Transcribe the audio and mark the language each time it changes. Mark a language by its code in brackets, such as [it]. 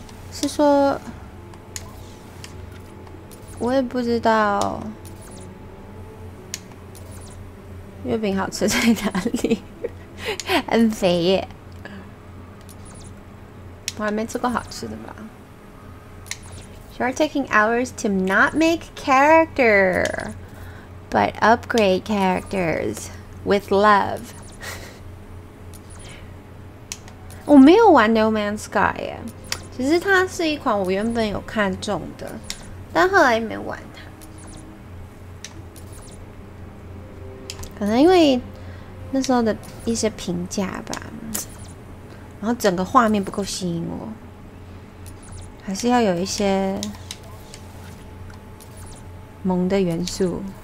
[zh] 是说，我也不知道月饼好吃在哪里。很肥耶，我还没吃过好吃的吧。 [en] You are taking hours to not make character but upgrade characters with love. [zh] 我没有玩 No Man's Sky 耶，其实它是一款我原本有看中的，但后来没玩它，可能因为那时候的一些评价吧，然后整个画面不够吸引我，还是要有一些萌的元素。